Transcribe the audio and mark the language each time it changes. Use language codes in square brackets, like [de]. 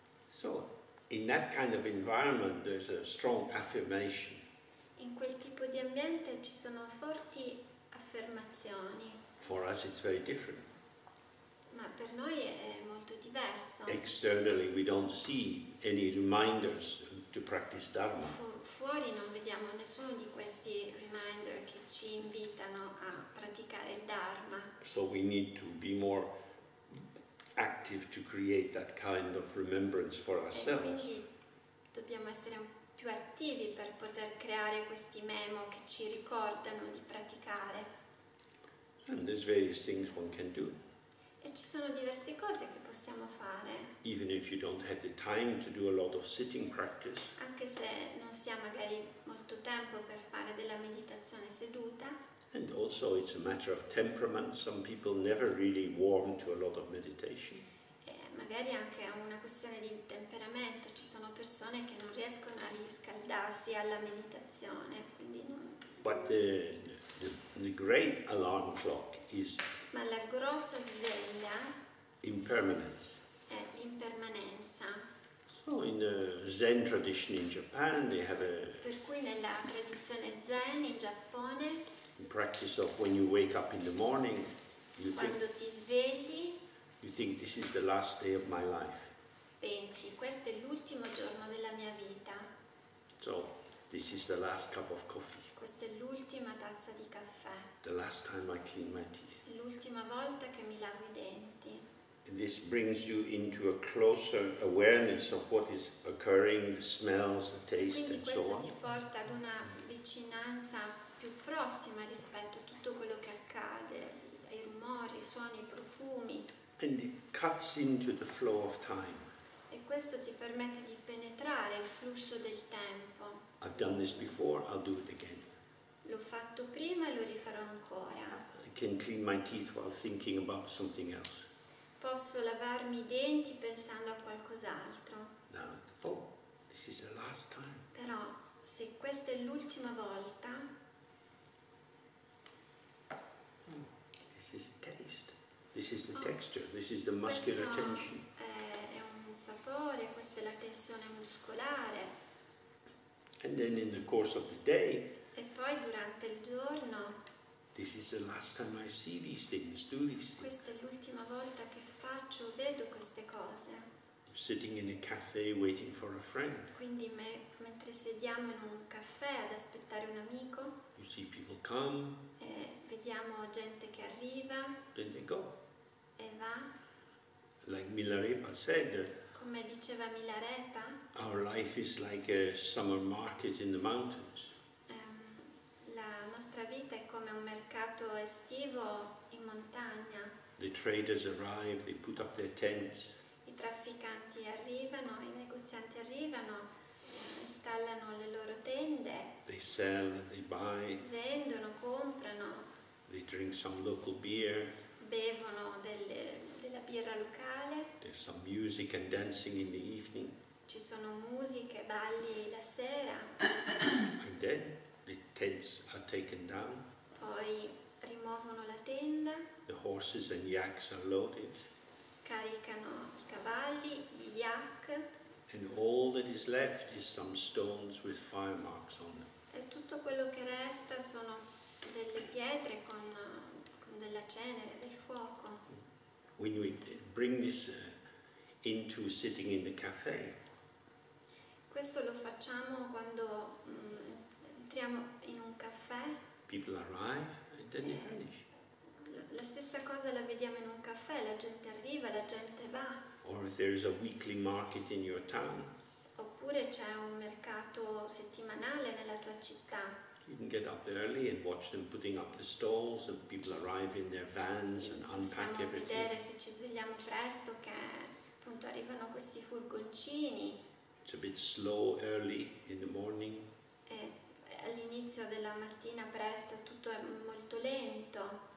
[en] So, in that kind of environment there's a strong affirmation. [it] In quel tipo di ambiente ci sono forti affermazioni. [en] For us it's very different. [it] Ma per noi è molto diverso. [en] Externally we don't see any reminders to practice Dharma. [it] Fuori non vediamo nessuno di questi reminder che ci invitano a praticare il Dharma. [en] So we need to be more active to create that kind of remembrance for ourselves. [it] E quindi dobbiamo essere più attivi per poter creare questi memo che ci ricordano di praticare. [en] And there's various things one can do. [it] E ci sono diverse cose che possiamo fare. [en] Even if you don't have the time to do a lot of sitting practice. [it] Anche se non si ha magari molto tempo per fare della meditazione seduta. [en] And also it's a matter of temperament. Some people never really warm to a lot of meditation. [it] E magari anche è una questione di temperamento. Ci sono persone che non riescono a riscaldarsi alla meditazione, quindi non. [en] But the great alarm clock is. [it] Ma la grossa sveglia. [en] Impermanence. [it] È l'impermanenza. [en] So in the Zen tradition in Japan they have a. [it] Per cui nella tradizione Zen in Giappone. [en] Practice of when you wake up in the morning, you [it] quando [en] think, [it] ti svegli, [en] you think this is the last day of my life. [it] Pensi, questo è l'ultimo giorno della mia vita. [en] So, this is the last cup of coffee. [it] Questa è l'ultima tazza di caffè. [en] The last time I clean my teeth. [it] L'ultima volta che mi lavo i denti. [en] And this brings you into a closer awareness of what is occurring, the smells, the taste, [it] quindi [en] and so on. [it] Quindi questo ti porta ad una vicinanza più prossima rispetto a tutto quello che accade, ai rumori, ai suoni, ai profumi. [en] And it cuts into the flow of time. [it] E questo ti permette di penetrare il flusso del tempo. [en] I've done this before, I'll do it again. [it] L'ho fatto prima e lo rifarò ancora. [en] I can clean my teeth while thinking about something else. [it] Posso lavarmi i denti pensando a qualcos'altro. [en] No. Oh, this is the last time. [it] Però se questa è l'ultima volta. [en] This is the taste. This is the texture. This is the muscular tension. [it] È un sapore. Questa è la tensione muscolare. [en] And then in the course of the day. [it] E poi durante il giorno. [en] This is the last time I see these things. Do these things. [it] Questa è l'ultima volta che faccio o vedo queste cose. [en] Sitting in a cafe waiting for a friend. [it] Quindi mentre sediamo in un caffè ad aspettare un amico. [en] You see people come. [it] E vediamo gente che arriva. [en] Then they go. [it] E va. [en] Like Milarepa said. [it] Come diceva Milarepa. [en] Our life is like a summer market in the mountains. [it] La nostra vita è come un mercato estivo in montagna. [en] The traders arrive, they put up their tents. [it] I trafficanti arrivano, i negozianti arrivano, installano le loro tende. [en] They sell, they buy. [it] Vendono, comprano. [en] They drink some local beer. [it] Bevono della birra locale. [en] There's some music and dancing in the evening. [it] Ci sono musica e balli la sera. [en] And then the tents are taken down. [it] Poi rimuovono la tenda. [en] The horses and yaks are loaded. [it] Caricano i cavalli, gli yak. [en] And all that is left is some stones with fire marks on them. [it] E tutto quello che resta sono delle pietre con della cenere, del fuoco. [en] When we bring this into sitting in the cafe. [it] Questo lo facciamo quando entriamo in un caffè. [en] People arrive and then they finish. [it] La stessa cosa la vediamo in un caffè, la gente arriva, la gente va. [en] Or if there is a weekly market in your town. [it] Oppure c'è un mercato settimanale nella tua città. [en] You can get up early and watch them putting up the stalls and people arrive in their vans and unpack everything. [it] Possiamo vedere se ci svegliamo presto che appunto arrivano questi furgoncini. [en] It's a bit slow early in the morning. [it] E all'inizio della mattina presto tutto è molto lento.